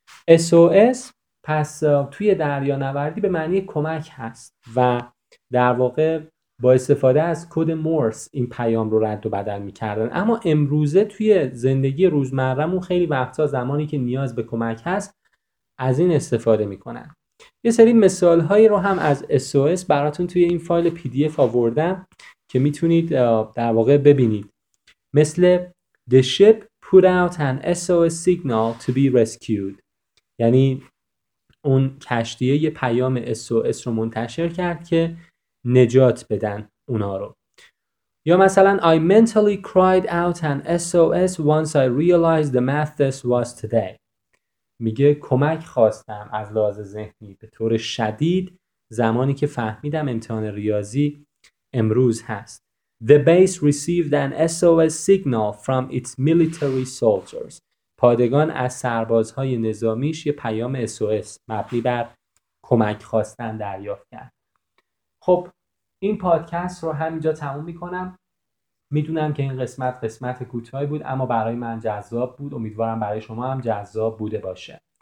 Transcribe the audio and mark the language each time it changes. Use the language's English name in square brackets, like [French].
[Persian] SOS پس توی دریانوردی به معنی کمک هست و در واقع با استفاده از کد مورس این پیام رو رد و بدل میکردن. اما امروزه توی زندگی روزمرمون خیلی وقتا زمانی که نیاز به کمک هست از این استفاده میکنن. یه سری مثال هایی رو هم از SOS براتون توی این فایل PDF آوردم که میتونید در واقع ببینید. مثل [English] The ship put out an SOS signal to be rescued. [Persian] یعنی اون کشتیه یه پیام SOS رو منتشر کرد که نجات بدن اونا رو. یا مثلا [English] I mentally cried out an SOS once I realized the math test was today. [Persian] میگه کمک خواستم از لحاظ ذهنی به طور شدید زمانی که فهمیدم امتحان ریاضی امروز هست. [English] The base received an SOS signal from its military soldiers. [Persian] پادگان از سربازهای نظامیش یه پیام SOS مبنی بر کمک خواستن دریافت کرد. خب این پادکست رو همینجا تموم میکنم. میدونم که این قسمت کوتاهی بود، اما برای من جذاب بود، امیدوارم برای شما هم جذاب بوده باشه.